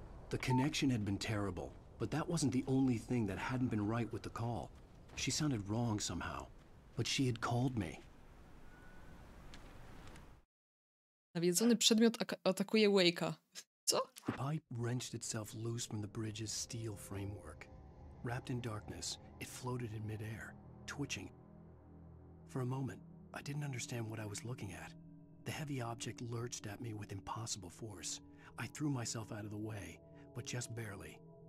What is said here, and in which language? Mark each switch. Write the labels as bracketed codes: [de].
[en] The connection had been terrible, but that wasn't the only thing that hadn't been right with the call. She sounded wrong somehow, but she had called me. [pl] Nawiedzony przedmiot atakuje Wake'a. Co? [en] The pipe wrenched itself loose from the bridge's steel framework. Wrapped in darkness, it floated in midair, twitching. For a moment, I didn't understand what I was looking at. The heavy object lurched at me with impossible force. I threw myself out of the way, but just barely.